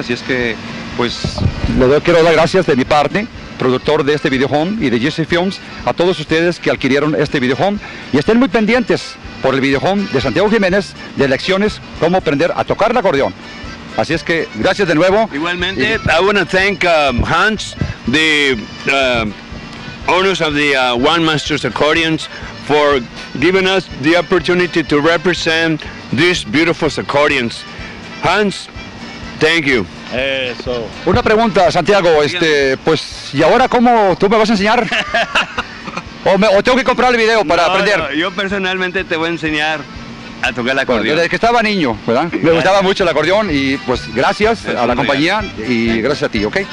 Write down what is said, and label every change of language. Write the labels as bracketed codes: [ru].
[es] Así es que, pues, quiero dar gracias de mi parte, productor de este video home y de GC Films, a todos ustedes que adquirieron este video home, y estén muy pendientes por el video home de Santiago Jiménez, de lecciones, cómo aprender a tocar el acordeón. Así es que, gracias de nuevo. Igualmente, y... [en] I want to thank Hans, the owners of the One Masters Accordions, for giving us the opportunity to represent these beautiful accordions. Hans, thank you. [es] Eso. Una pregunta, Santiago, pues, ¿y ahora cómo tú me vas a enseñar? ¿O tengo que comprar el video para aprender? No, yo personalmente te voy a enseñar a tocar el acordeón. Bueno, desde que estaba niño, ¿verdad? Me gustaba mucho el acordeón y pues gracias a la compañía y gracias a ti, ¿ok?